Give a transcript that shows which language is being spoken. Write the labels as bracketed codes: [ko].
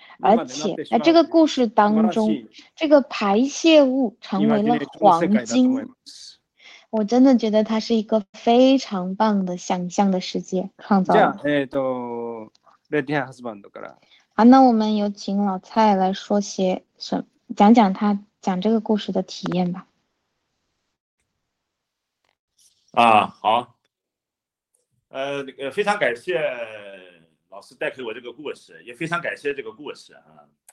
[zh] 而且在这个故事当中，这个排泄物成为了黄金，我真的觉得它是一个非常棒的想象的世界创造。 [ja] じゃあ、レディアハズバンドから。 [zh] 好，那我们有请老蔡来说些什么，讲讲他讲这个故事的体验吧。啊，好。非常感谢老师带给我这个故事，也非常感谢这个故事啊。